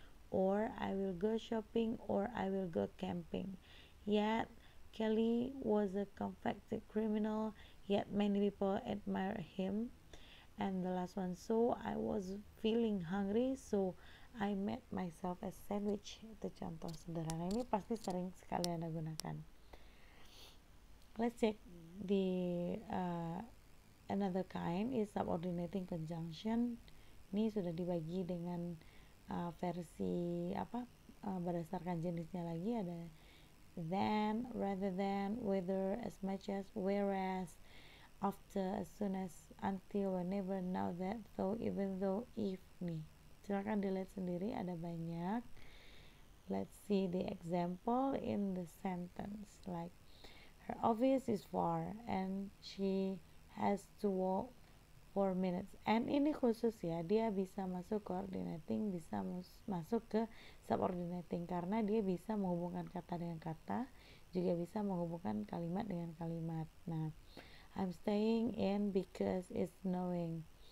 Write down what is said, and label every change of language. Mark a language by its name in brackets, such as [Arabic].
[English] Or, I will go shopping, or I will go camping. Yet, Kelly was a convicted criminal, yet many people admired him. And the last one, so I was feeling hungry, so I made myself a sandwich. [Indonesian] Itu contoh sederhana. Ini pasti sering sekali Anda gunakan. [English] Let's check the another kind is subordinating conjunction. [Indonesian] Ini sudah dibagi dengan versi apa berdasarkan jenisnya lagi, ada then, rather than, whether, as much as, whereas, after, as soon as, until, whenever, now that, though, even though, if. Nih, silakan dilihat sendiri, ada banyak. [English] Let's see the example in the sentence, like her office is far and she has to walk 4 minutes. [Indonesian] And ini khusus ya, dia bisa masuk coordinating, bisa masuk ke subordinating, karena dia bisa menghubungkan kata dengan kata, juga bisa menghubungkan kalimat dengan kalimat. Nah, [English] I'm staying in because it's snowing.